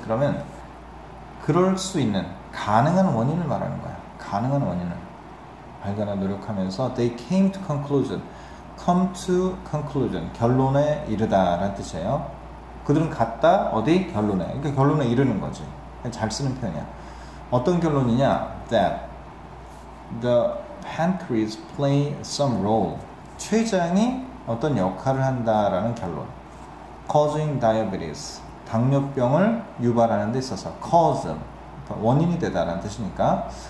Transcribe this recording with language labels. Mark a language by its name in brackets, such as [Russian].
[Korean] 그러면 그럴 수 있는 가능한 원인을 말하는 거야. 가능한 원인을 발견하려고 노력하면서 [English] they came to conclusion. Come to conclusion. [Korean] 결론에 이르다 라는 뜻이에요. 그들은 갔다 어디? 결론에. 그러니까 결론에 이르는 거지. 잘 쓰는 표현이야. 어떤 결론이냐? [English] That the pancreas play some role. [Korean] 췌장이 어떤 역할을 한다라는 결론. [English] Causing diabetes. [Korean] 당뇨병을 유발하는 데 있어서. [English] Cause. [Korean] 원인이 되다라는 뜻이니까.